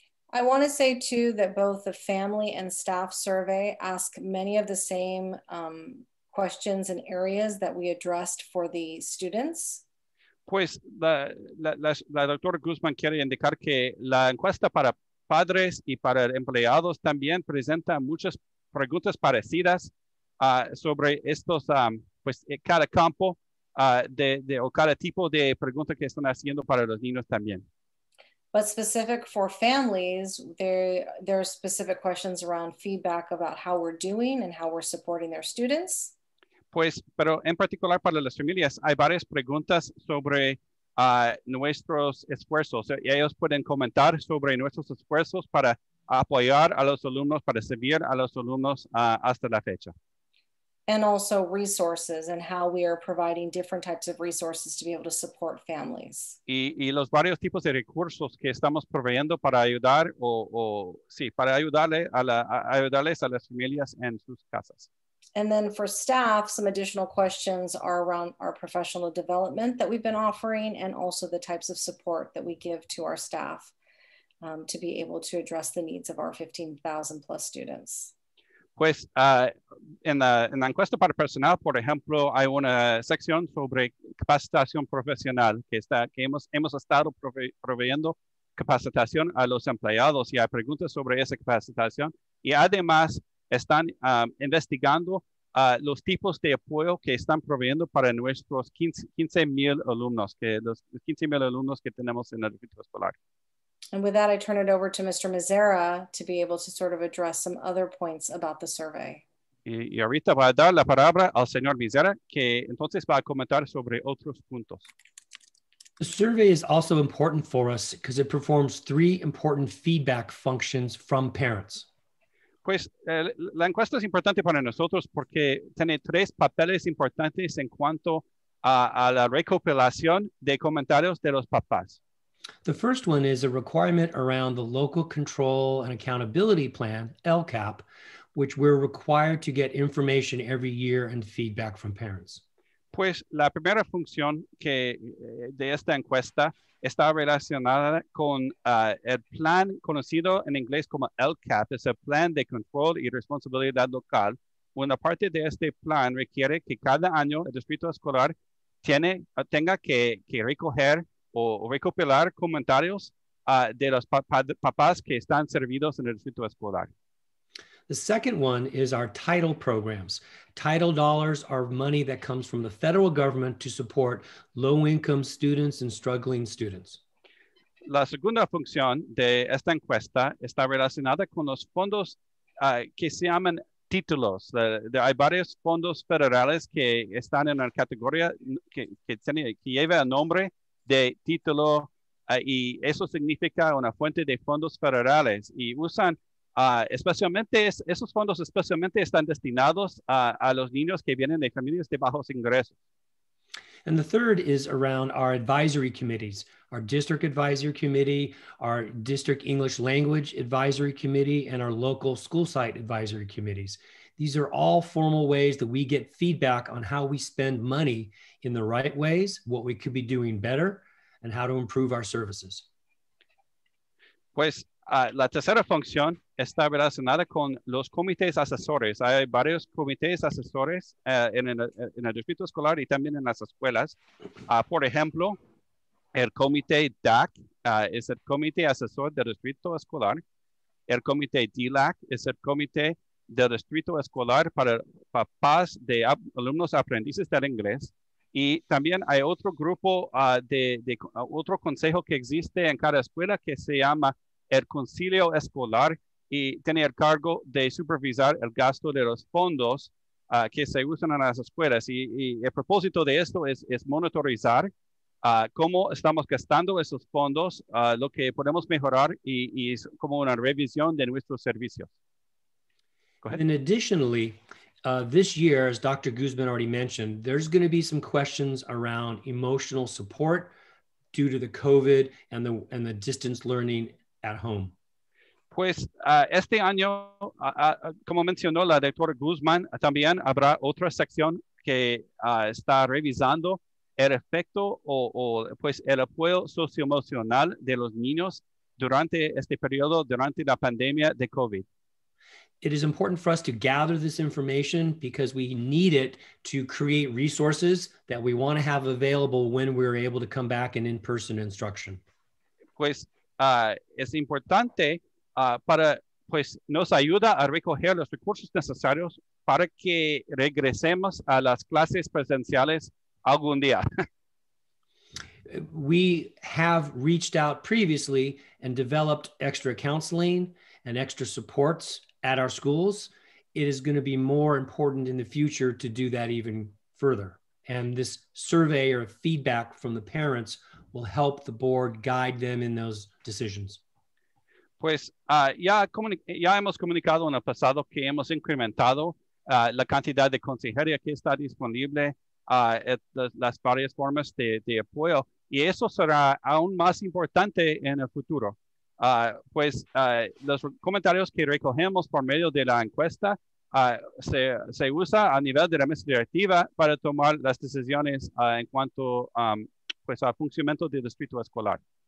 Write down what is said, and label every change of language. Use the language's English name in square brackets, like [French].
[English] I want to say too that both the family and staff survey ask many of the same questions and areas that we addressed for the students. [Spanish] Pues la doctora Guzmán quiere indicar que la encuesta para padres y para empleados también presenta muchas preguntas parecidas sobre estos, cada campo o cada tipo de pregunta que están haciendo para los niños también. [English] But specific for families, there are specific questions around feedback about how we're doing and how we're supporting their students. [Spanish] Pues, pero en particular para las familias, hay varias preguntas sobre nuestros esfuerzos. Y ellos pueden comentar sobre nuestros esfuerzos para apoyar a los alumnos, para servir a los alumnos hasta la fecha. [English] And also resources and how we are providing different types of resources to be able to support families. [Spanish] Y los varios tipos de recursos que estamos proveyendo para ayudar para ayudarles a las familias en sus casas. [English] And then for staff, some additional questions are around our professional development that we've been offering and also the types of support that we give to our staff to be able to address the needs of our 15,000 plus students. [Spanish] Pues en la encuesta para personal, por ejemplo, hay una sección sobre capacitación profesional que hemos estado proveyendo capacitación a los empleados y hay preguntas sobre esa capacitación y además están investigando los tipos de apoyo que están proveyendo para nuestros 15,000 alumnos que tenemos en el distrito escolar. [English] And with that, I turn it over to Mr. Mazera to be able to sort of address some other points about the survey. [Spanish] Y ahorita va a dar la palabra al señor Mazera, que entonces va a comentar sobre otros puntos. [English] The survey is also important for us because it performs three important feedback functions from parents. [Spanish] Pues la encuesta es importante para nosotros porque tiene tres papeles importantes en cuanto a la recopilación de comentarios de los papás. [English] The first one is a requirement around the Local Control and Accountability Plan, LCAP, which we're required to get information every year and feedback from parents. [Spanish] Pues la primera función que de esta encuesta está relacionada con el plan conocido en inglés como LCAP, es el Plan de Control y Responsabilidad Local. Una parte de este plan requiere que cada año el distrito escolar tenga que recoger o recopilar comentarios de los papás que están servidos en el distrito escolar. [English] The second one is our title programs. Title dollars are money that comes from the federal government to support low-income students and struggling students. [Spanish] La segunda función de esta encuesta está relacionada con los fondos que se llaman títulos. Hay varios fondos federales que están en la categoría que lleva el nombre de título y eso significa una fuente de fondos federales y usan esos fondos están destinados a los niños que vienen de familias de bajos ingresos. [English] And the third is around our advisory committees, our district advisory committee, our district English language advisory committee, and our local school site advisory committees. These are all formal ways that we get feedback on how we spend money in the right ways, what we could be doing better, and how to improve our services. [Spanish] Pues La tercera función está relacionada con los comités asesores. Hay varios comités asesores en el distrito escolar y también en las escuelas. Por ejemplo, el comité DAC es el comité asesor del distrito escolar. El comité DILAC es el comité del distrito escolar para papás de alumnos aprendices del inglés. Y también hay otro grupo otro consejo que existe en cada escuela que se llama el concilio escolar y tiene el cargo de supervisar el gasto de los fondos que se usan en las escuelas. Y el propósito de esto es monitorizar cómo estamos gastando esos fondos, lo que podemos mejorar y es como una revisión de nuestros servicios. [English] And additionally, this year, as Dr. Guzman already mentioned, there's going to be some questions around emotional support due to the COVID and the distance learning at home. [Spanish] Pues este año, como mencionó la doctora Guzman, también habrá otra sección que está revisando el efecto o el apoyo socioemocional de los niños durante este periodo, durante la pandemia de COVID. [English] It is important for us to gather this information because we need it to create resources that we want to have available when we're able to come back in in-person instruction. [Spanish] Pues es importante para, pues nos ayuda a recoger los recursos necesarios para que regresemos a las clases presenciales algún día. [English] We have reached out previously and developed extra counseling and extra supports at our schools. It is going to be more important in the future to do that even further. And this survey or feedback from the parents will help the board guide them in those decisions. [Spanish] Pues ya hemos comunicado en el pasado que hemos incrementado la cantidad de consejería que está disponible, las varias formas de apoyo. Y eso será aún más importante en el futuro. Los comentarios que recogemos por medio de la encuesta se usa a nivel de la mesa directiva para tomar las decisiones en cuanto al funcionamiento del distrito escolar.